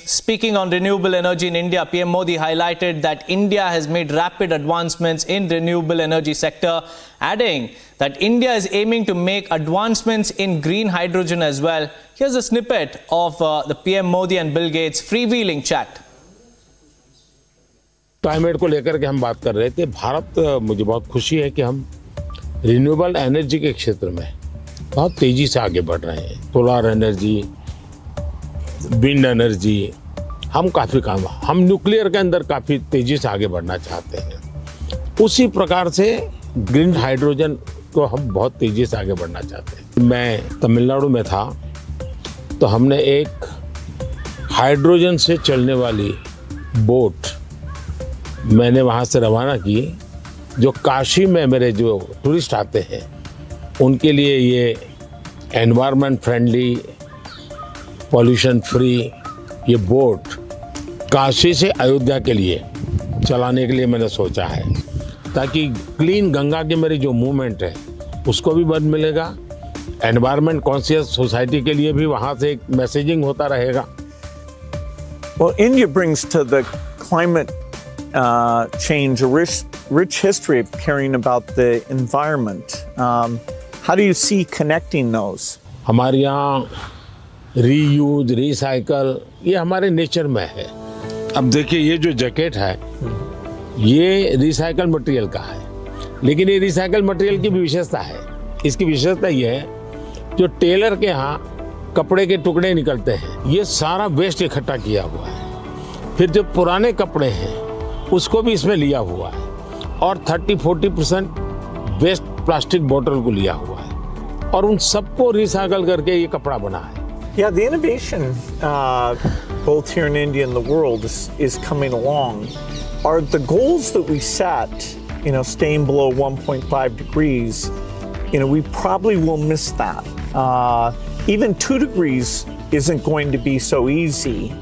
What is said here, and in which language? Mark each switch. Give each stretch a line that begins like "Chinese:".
English: Speaking on renewable energy in India, PM Modi highlighted that India has made rapid advancements in the renewable energy sector, adding that India is aiming to make advancements in green hydrogen as well. Here's a snippet of the PM Modi and Bill Gates freewheeling chat.
Hindi: Climate ko lekar ke hum baat kar rahe the. Bharat, mujhe bahut khushi hai ki hum renewable energy ke kshetr mein बहुत तेजी से आगे बढ़ रहे हैं. Solar energy, wind energy, हम काफ़ी काम, हम न्यूक्लियर के अंदर काफ़ी तेजी से आगे बढ़ना चाहते हैं. उसी प्रकार से ग्रीन हाइड्रोजन को हम बहुत तेजी से आगे बढ़ना चाहते हैं. मैं तमिलनाडु में था तो हमने एक हाइड्रोजन से चलने वाली बोट मैंने वहाँ से रवाना की, जो काशी में मेरे जो टूरिस्ट आते हैं उनके लिए ये एनवायरनमेंट फ्रेंडली, पॉल्यूशन फ्री ये बोट काशी से अयोध्या के लिए चलाने के लिए मैंने सोचा है, ताकि क्लीन गंगा की मेरी जो मूवमेंट है उसको भी बल मिलेगा, एनवायरनमेंट कॉन्शियस सोसाइटी के लिए भी वहाँ से एक मैसेजिंग होता रहेगा.
English: Well, India brings to the climate change a rich history of caring about the environment. How do you see connecting those?
Hindi: हमारे यहाँ reuse, recycle, ये हमारे nature में है. अब देखिए ये जो jacket है ये recycle material का है, लेकिन ये recycle material की भी विशेषता है. इसकी विशेषता ये है जो tailor के यहाँ कपड़े के टुकड़े निकलते हैं, ये सारा waste इकट्ठा किया हुआ है. फिर जो पुराने कपड़े हैं उसको भी इसमें लिया हुआ है, और 30-40% वेस्ट प्लास्टिक बोतल को लिया हुआ है, और उन सबको रिसाइकल करके ये कपड़ा बना है.
English: Yeah, the innovation both here in India and the world is coming along. Are the goals that we set, you know, staying below 1.5 degrees, you know, we probably will miss that. Even 2 degrees isn't going to be so easy.